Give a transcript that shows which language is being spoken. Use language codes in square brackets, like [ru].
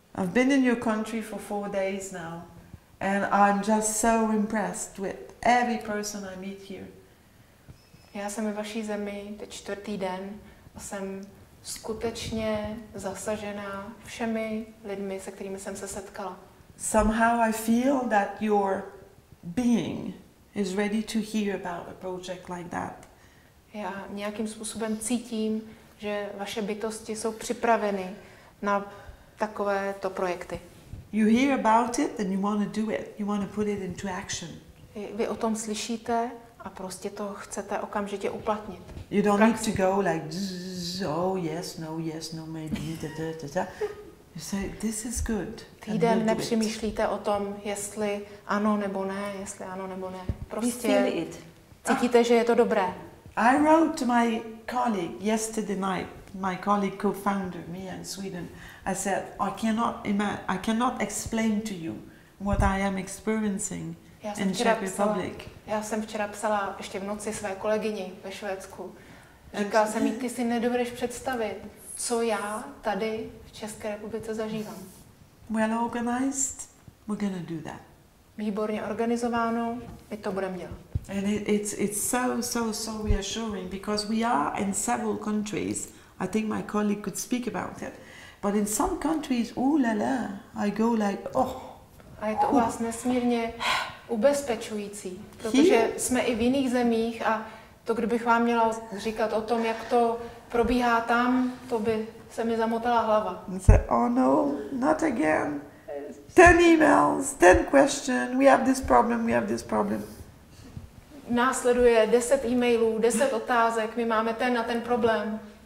[en] I've been in your country for 4 days now. And I'm just so impressed with every person I meet here. [cs] Já jsem ve vaší zemi teď 4. den a jsem skutečně zasažená všemi lidmi, se kterými jsem se setkala. [en] Somehow I feel that your being is ready to hear about a project like that. [cs] Já nějakým způsobem cítím, že vaše bytosti jsou připraveny na takovéto projekty. [en] You hear about it and you want to do it. You want to put it into action. [cs] Vy o tom slyšíte a prostě to chcete okamžitě uplatnit. [en] You don't need to go like oh yes, no maybe. Da. You say this is good. [cs] Týden nepřemýšlíte o tom, jestli ano nebo ne, jestli ano nebo ne. Prostě [en] feel it. [cs] Cítíte, že je to dobré. [en] I wrote to my colleague yesterday night, my colleague co-founder me in Sweden. I said I cannot explain to you what I am experiencing in Czech Republic. [cs] Já jsem včera psala ještě v noci své kolegyni ve Švédsku. Říkala jsem jí, ty si nedovedeš představit, co já tady v České republice zažívám. [en] Well organized, we're gonna do that. [cs] Výborně organizováno, my to budeme dělat. [en] And it's so reassuring because we are in several countries. I think my colleague could speak about it. But in some countries, ooh la la, I go like, oh. [cs] A je to u vás nesmírně ubezpečující, protože jsme i v jiných zemích a to, kdybych vám měla říkat o tom, jak to probíhá tam, to by se mi zamotala hlava. [en] And say, oh no, not again. 10 emails, 10 questions, we have this problem. [cs] Následuje 10 emailů, 10 otázek, my máme ten a ten problém.